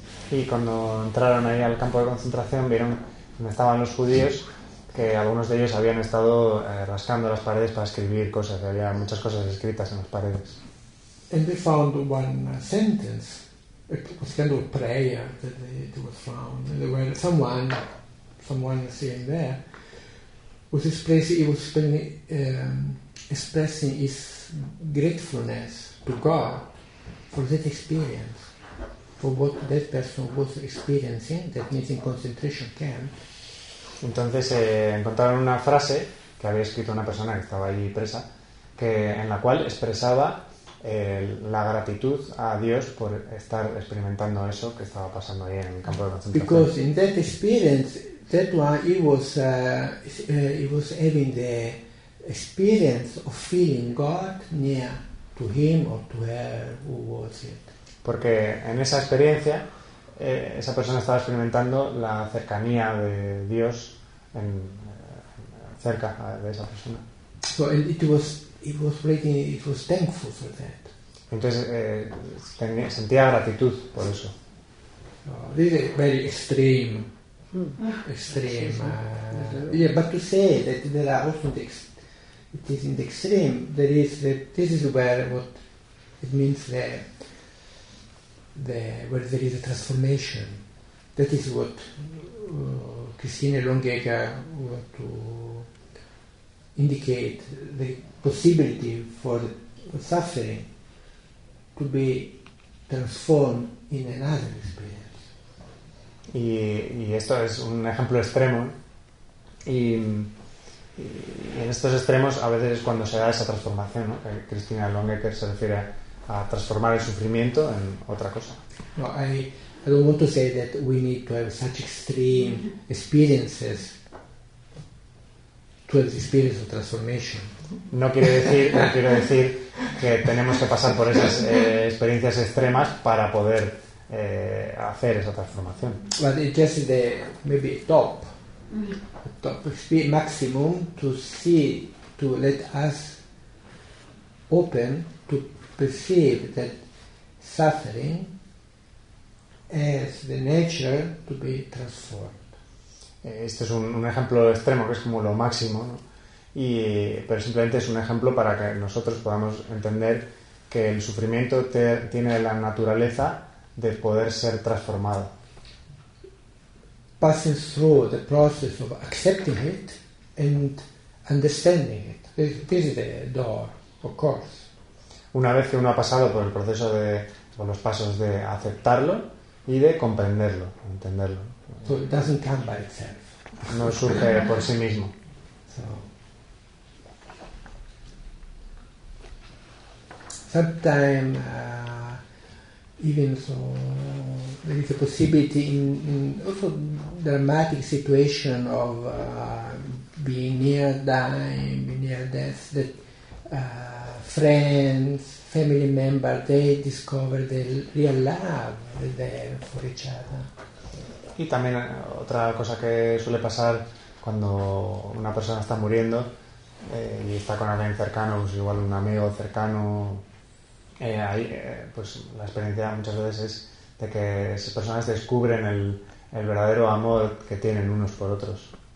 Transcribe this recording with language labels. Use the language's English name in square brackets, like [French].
[Spanish] Y cuando entraron ahí al campo de concentración, vieron donde estaban los judíos. Que algunos de ellos habían estado rascando las paredes para escribir cosas, había muchas cosas escritas en las paredes. [English] And they found one sentence, it was kind of a prayer that it was found. And there were someone sitting there was expressing his gratefulness to God for that experience, for what that person was experiencing, that means in concentration camp. [Spanish] Entonces encontraron una frase que había escrito una persona que estaba allí presa, que en la cual expresaba la gratitud a Dios por estar experimentando eso que estaba pasando ahí en el campo de concentración. [English] Because in that experience, that one, he was having the experience of feeling God near to him or to her who was it. [Spanish] Porque en esa experiencia, esa persona estaba experimentando la cercanía de Dios en, cerca de esa persona. [English] So it was really, it was thankful for that. [Spanish] Entonces sentía gratitud por eso. [English] This is very extreme. Extreme. Yeah, but to say that there are often it is in the extreme. There is that this is where what it means there. The where there is a transformation. That is what Christine Longacre wanted to indicate, the possibility for the suffering to be transformed in another experience. [Spanish] Y esto es un ejemplo extremo, ¿eh? Y en estos extremos a veces es cuando se da esa transformación, ¿no? Christina Longacre se refiere a transformar el sufrimiento en otra cosa. [English] No, I don't want to say that we need to have such extreme experiences to have the experience of transformation. [Spanish] No quiero decir que tenemos que pasar por esas experiencias extremas para poder hacer esa transformación. [English] But it's just the maybe top experience, maximum to see, to let us open to perceive that suffering as the nature to be transformed. [Spanish] Este es un ejemplo extremo, que es como lo máximo, ¿no? Pero simplemente es un ejemplo para que nosotros podamos entender que el sufrimiento tiene la naturaleza de poder ser transformado. [English] Passing through the process of accepting it and understanding it. This is the door, of course. [Spanish] Una vez que uno ha pasado por el proceso de, por los pasos de aceptarlo y de comprenderlo, entenderlo. [English] So it doesn't come by itself. [Spanish] No surge por sí mismo. [English] Sometimes even so, there is a possibility in also dramatic situation of being near dying, being near death, that friends, family members, they discover the real love that they have for each other. [Spanish] Y también otra cosa que suele pasar cuando una persona está muriendo y está con alguien cercano, pues igual un amigo cercano. Pues la experiencia muchas veces es de que esas personas descubren el verdadero amor que tienen unos por otros.